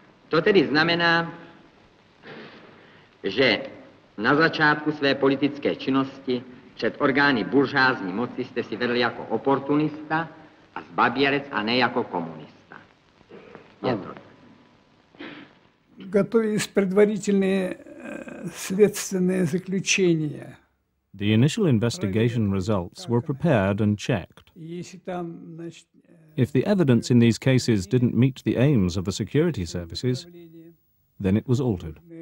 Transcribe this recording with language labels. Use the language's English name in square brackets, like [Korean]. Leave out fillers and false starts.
[Czech] To tedy znamená, že na začátku své politické činnosti před orgány buržoázní moci jste si vedl jako oportunista a zbabělec a ne jako komunista. Je to. [Russian] Готовились предварительные следственные заключения. [English] The initial investigation results were prepared and checked. If the evidence in these cases didn't meet the aims of the security services, then it was altered.